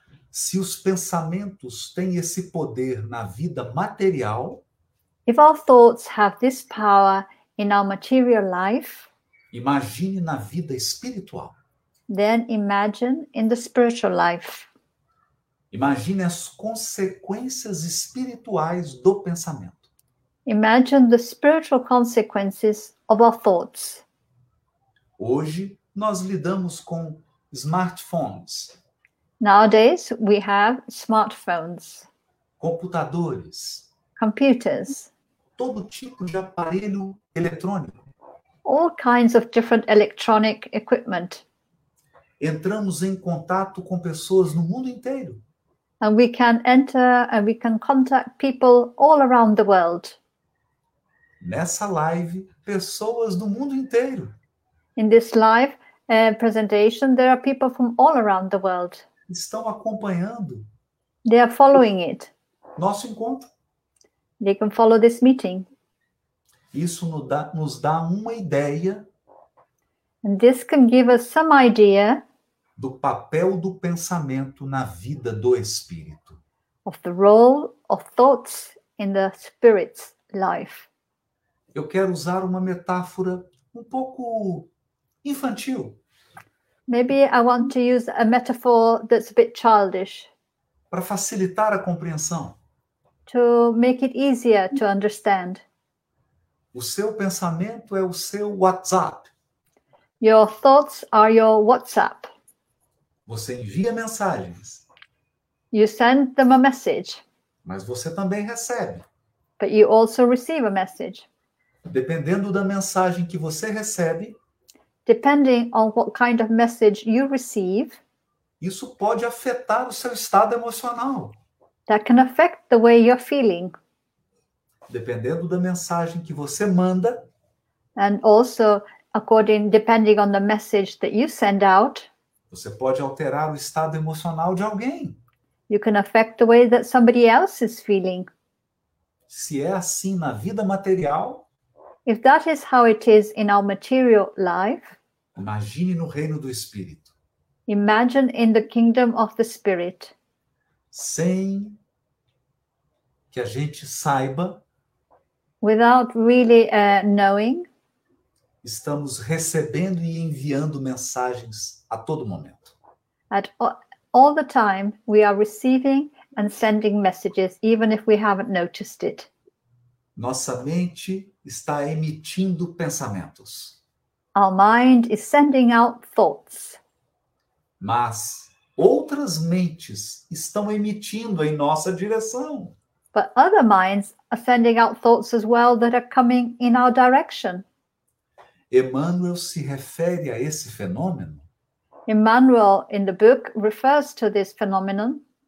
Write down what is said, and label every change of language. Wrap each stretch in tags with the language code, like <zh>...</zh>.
<pt>Se os pensamentos têm esse poder na vida material.</pt> <en>If our thoughts have this power in our material life.</en> <pt>Imagine na vida espiritual.</pt> <en>Then imagine in the spiritual life.</en> <pt>Imagine as consequências espirituais do pensamento.</pt> <en>Imagine the spiritual consequences of our thoughts.</en> <pt>Hoje, nós lidamos com smartphones.</pt> <en>Nowadays, we have smartphones.</en> <pt>Computadores.</pt> <en>Computers.</en> <pt>Todo tipo de aparelho eletrônico.</pt> <en>All kinds of different electronic equipment.</en> <pt>Entramos em contato com pessoas no mundo inteiro.</pt> <en>And we can enter and we can contact people all around the world.</en> <pt>Nessa live, pessoas do mundo inteiro.</pt> <en>In this live presentation, there are people from all around the world.</en> <pt>Estão acompanhando.</pt> <en>They are following it.</en> <pt>Nosso encontro.</pt> <en>They can follow this meeting.</en> <pt>Isso nos dá uma ideia.</pt> <en>And this can give us some idea</en> <pt>do papel do pensamento na vida do espírito.</pt> <en>Of the role of thoughts in the spirit's life.</en> <pt>Eu quero usar uma metáfora um pouco infantil.</pt> <en>Maybe I want to use a metaphor that's a bit childish.</en> <pt>Para facilitar a compreensão.</pt> <en>To make it easier to understand.</en> <pt>O seu pensamento é o seu WhatsApp.</pt> <en>Your thoughts are your WhatsApp.</en> <pt>Você envia mensagens.</pt> <en>You send them a message.</en> <pt>Mas você também recebe.</pt> <en>But you also receive a message.</en> <pt>Dependendo da mensagem que você recebe.</pt> <en>Depending on what kind of message you receive.</en> <pt>Isso pode afetar o seu estado emocional.</pt> <en>that can affect the way you're feeling.</en> <pt>Dependendo da mensagem que você manda,</pt> <en>and also depending on the message that you send out,</en> <pt>você pode alterar o estado emocional de alguém.</pt> <en>You can affect the way that somebody else is feeling.</en> <pt>Se é assim na vida material,</pt> <en>if that is how it is in our material life,</en> <pt>imagine no reino do Espírito.</pt> <en>Imagine in the kingdom of the Spirit.</en> <pt>Sem que a gente saiba,</pt> <en>without really knowing,</en> <pt>estamos recebendo e enviando mensagens a todo momento.</pt> <en>At all the time, we are receiving and sending messages, even if we haven't noticed it.</en> <pt>Nossa mente está emitindo pensamentos.</pt> <en>Our mind is sending out thoughts.</en> <pt>Mas outras mentes estão emitindo em nossa direção.</pt> <en>But other minds are sending out thoughts as well that are coming in our direction.</en> <pt>Emmanuel se refere a esse fenômeno.</pt> <en>Emmanuel, in the book, refers to this phenomenon</en>